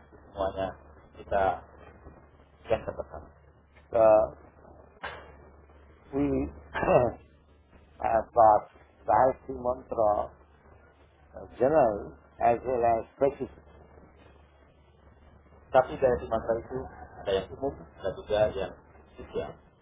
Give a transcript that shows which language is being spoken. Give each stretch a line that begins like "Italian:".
Indonesian: Semuanya kita yang terbesar.
English: We have Gayatri Mantra general as well as specific.
Indonesian: Tapi Gayatri Mantra itu yang umum dan juga yang spesial.